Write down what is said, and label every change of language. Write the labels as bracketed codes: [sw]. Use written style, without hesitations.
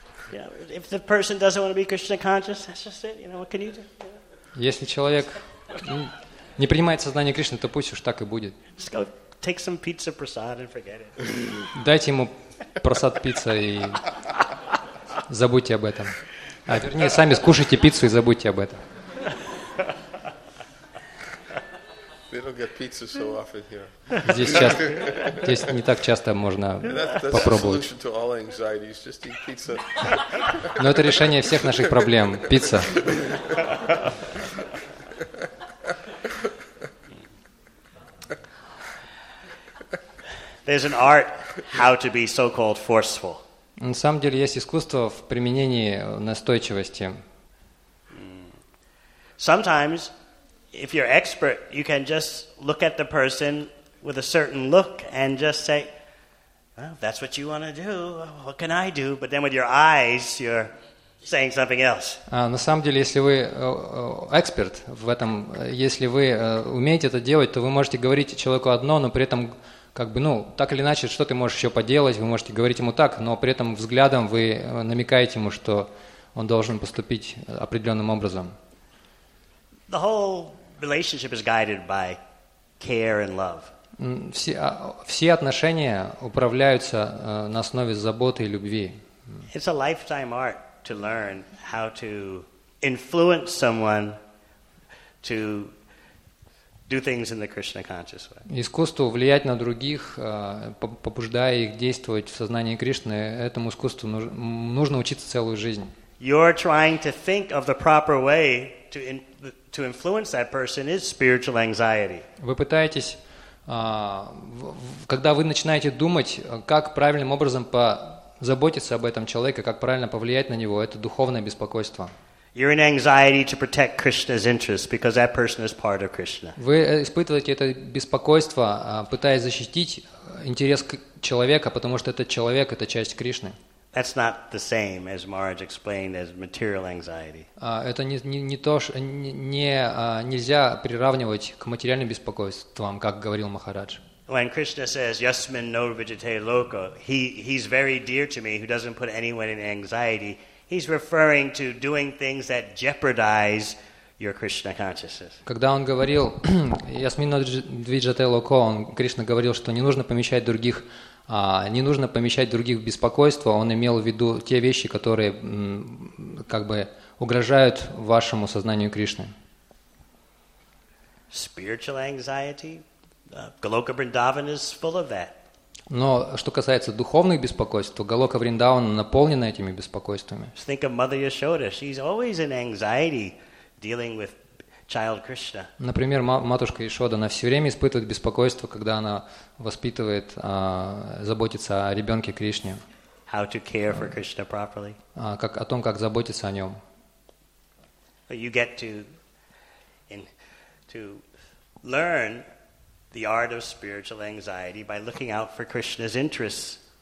[en] Yeah, if the person doesn't want to be Krishna conscious, that's just it. You know, what can you do? [ru] Если человек не принимает сознание Кришны, то пусть уж так и будет. [en] Just go take some pizza prasad and forget it. [ru] Дайте ему просад пицца и забудьте об этом. А, вернее, сами скушайте пиццу и забудьте об этом. [en] They don't get pizza so often here. [ru] Здесь не так часто можно попробовать. That's the solution to all anxieties, just eat pizza. Но это решение всех наших проблем. Пицца. [en] There's an art how to be so-called forceful. [ru] На самом деле есть искусство в применении настойчивости. [en] Sometimes, if you're expert, you can just look at the person with a certain look and just say, well, if that's what you want to do, what can I do? But then with your eyes, you're saying something else. [ru] На самом деле, если вы эксперт в этом, если вы умеете это делать, то вы можете говорить человеку одно, но при этом как бы, ну, так или иначе, что ты можешь еще поделать, вы можете говорить ему так, но при этом взглядом вы намекаете ему, что он должен поступить определенным образом. [en] The whole relationship is guided by care and love. [ru] Все отношения управляются на основе заботы и любви. [en] It's a lifetime art to learn how to influence someone to do things in the Krishna conscious way. [ru] Искусство влиять на других, побуждая их действовать в сознании Кришны, этому искусству нужно учиться целую жизнь. [en] You're trying to think of the proper way to influence that person is spiritual anxiety. [ru] Вы пытаетесь, когда вы начинаете думать, как правильным образом позаботиться об этом человеке, как правильно повлиять на него, это духовное беспокойство. [en] You're in anxiety to protect Krishna's interests because that person is part of Krishna. [ru] Вы испытываете это беспокойство, пытаясь защитить интерес человека, потому что этот человек это часть Кришны. [en] That's not the same as Maharaj explained as material anxiety. [ru] Это не то, что нельзя приравнивать к материальным беспокойствам, как говорил Махарадж. [en] When Krishna says [sa] "Yasmin no vijate loka," [en] he's very dear to me who doesn't put anyone in anxiety. He's referring to doing things that jeopardize your Krishna consciousness. [ru] Когда он говорил [sa] "Ясмино двиджате локо", [ru] он Кришна говорил, что не нужно помещать других в беспокойство. Он имел в виду те вещи, которые как бы угрожают вашему сознанию Кришны. [en] Spiritual anxiety, Goloka Vrindavan is full of that. [ru] Но что касается духовных беспокойств, то Голока Вриндавана наполнена этими беспокойствами. [en] Think of Mother Yashoda. She's always in anxiety dealing with child Krishna. [ru] Например, матушка Яшода, она все время испытывает беспокойство, когда она воспитывает, заботится о ребенке Кришне. [en] How to care for Krishna properly. [ru] О том, как заботиться о нем. [en] You get to learn the art of spiritual anxiety by looking out for Krishna's interests.